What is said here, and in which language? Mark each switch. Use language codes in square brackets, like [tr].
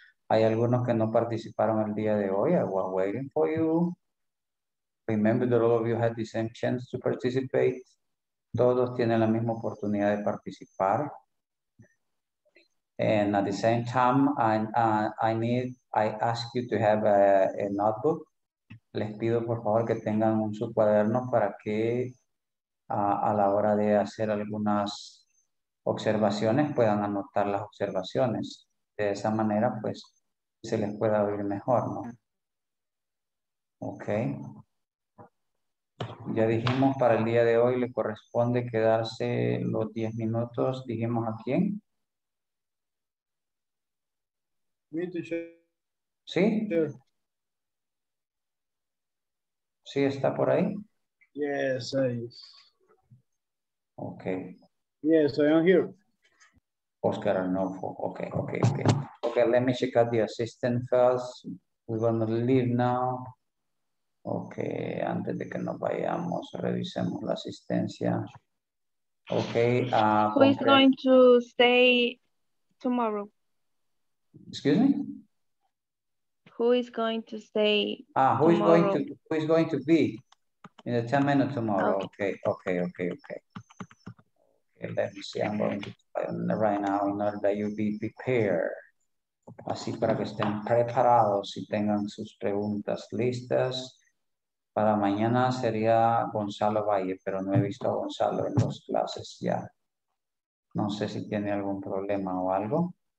[es] Hay algunos que no participaron el día de hoy. [en] I was waiting for you. Remember that all of you had the same chance to participate. [es] Todos tienen la misma oportunidad de participar. [en] And at the same time, I ask you to have a notebook. [es] Les pido por favor que tengan un cuaderno para que a la hora de hacer algunas observaciones puedan anotar las observaciones. De esa manera, pues, se les pueda oír mejor, ¿no? Okay. Ya dijimos para el día de hoy le corresponde quedarse los 10 minutos. ¿Dijimos a quién? [en] Me, teacher. [es] ¿Sí? Sure. ¿Sí está por ahí? [en] Yes, I am. Okay. Yes, I am here. Oscar Arnolfo. Okay. Okay, let me check out the assistant first. We're going to leave now. [es] Okay, antes de que nos vayamos, revisemos la asistencia. [en] Okay. Who is going to stay tomorrow? Excuse me? Who is going to stay tomorrow? Who is going to be in the 10 minutes tomorrow? Okay. Let me see. I'm going to try right now in order that you be prepared. [es] Así para que estén preparados y tengan sus preguntas listas. Para mañana sería Gonzalo Valle, pero no he visto a Gonzalo en dos clases ya. No sé si tiene algún problema o algo.